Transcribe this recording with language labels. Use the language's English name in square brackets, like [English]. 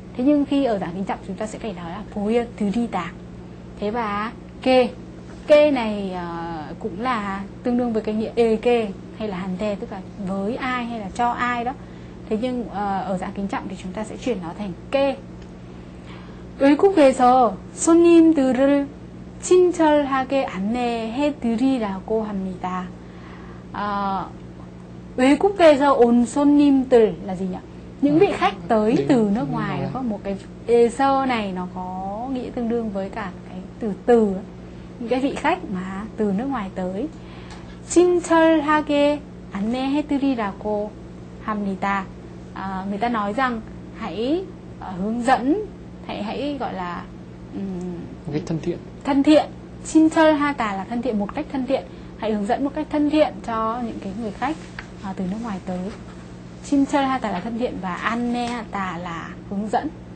[Vietnamese] Thế nhưng khi ở dạng kính trọng chúng ta sẽ phải nói là 보여드리다. Thế và kê này cũng là tương đương với cái nghĩa ê kê hay là hàn đề tức là với ai hay là cho ai đó. Thế nhưng ở dạng kính trọng thì chúng ta sẽ chuyển nó thành kê. [Korean] 외국에서 손님들을 친절하게 안내해 드리라고 합니다. 외국에서 온 손님들 [Vietnamese] là gì nhỉ? Những vị khách tới từ nước ngoài có một cái 에서 này nó có nghĩa tương đương với cả cái từ những cái vị khách mà từ nước ngoài tới. [Korean] 친절하게 안내해 드리라고 합니다. [Vietnamese] Người ta nói rằng hãy hướng dẫn hãy gọi là cái thân thiện. Thân thiện. 친절하다 là thân thiện một cách thân thiện. Hãy hướng dẫn một cách thân thiện cho những cái người khách từ nước ngoài tới. 친절하다 là thân thiện và 안내하다 là hướng dẫn.